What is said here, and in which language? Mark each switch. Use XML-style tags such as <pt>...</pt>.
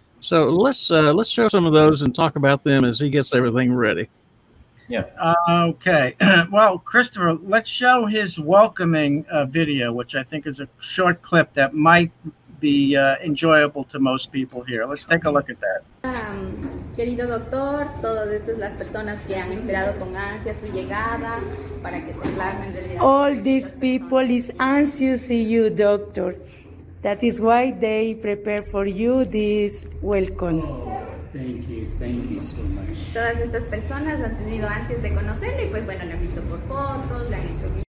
<en>So let's show some of those and talk about them as he gets everything ready. Yeah. Okay. Well, Christopher, let's show his welcoming video, which I think is a short clip that might be enjoyable to most people here. Let's take a look at that.</en> <es>Querido doctor, todas estas las personas que han esperado con ansia su llegada para que se alarmen del día.</es> <en>All these people is anxious to see you, doctor. That is why they prepare for you this welcome. Thank you. Thank you so much.</en> <es>Todas estas personas han tenido ansias de conocerlo y pues bueno, lo han visto por fotos, le han hecho</es>